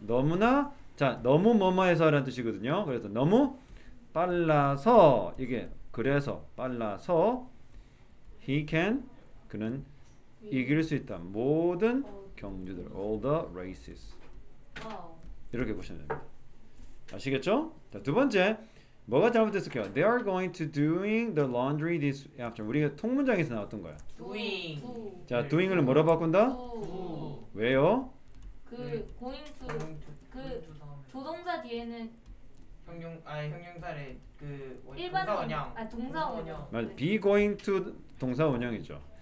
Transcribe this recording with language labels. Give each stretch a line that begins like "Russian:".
Korean: 너무나 자 너무 뭐뭐해서라는 뜻이거든요. 그래서 너무 빨라서 이게 그래서 빨라서
English: he can
Korean: 그는 이길 수 있다. 모든 경주들 all the races 이렇게 보시면 됩니다. 아시겠죠? 자, 두 번째 뭐가 잘못됐을까요?
English: They are going to doing the laundry this afternoon.
Korean: 우리가 통문장에서 나왔던 거야.
English: Doing.
Korean: 자, doing을 뭐로 바꾼다? 왜요? 그 going to 그 조동사 뒤에는 형용사를 그 일반 동 원형. 아 동사 원형. 맞아.
English: Be going to
Korean: 동사 원형이죠.